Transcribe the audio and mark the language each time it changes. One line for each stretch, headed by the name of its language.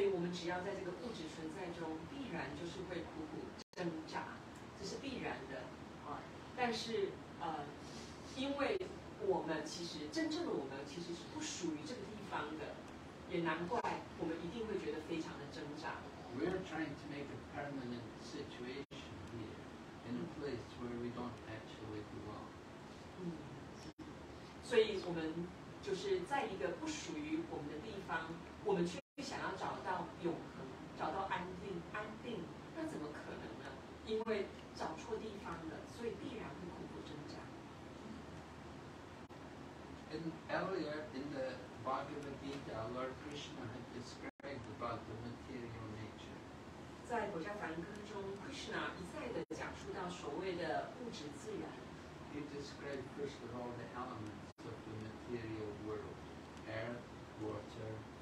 Chinese: 只要在这个物质存在中，必然就是会苦苦挣扎，这是必然的。但是因为我们其实真正的我们其实是不属于这个地方的，也难怪我们一定会觉得非常的挣扎。
English: We are trying to make a permanent situation here in a place where we don't actually belong.
Chinese: 嗯，所以我们就是在一个不属于我们的地方，我们去。想要找到永恒，找到安定，安定，那怎么可能呢？因为找错地方了，所以必然会苦苦挣扎。
English: In earlier in the Bhagavad Gita, Lord Krishna had described about the material nature.
Chinese: 在《薄伽梵歌》中 ，Krishna 一再的讲述到所谓的物质自然。
English: He described first of all the elements of the material world: air, water.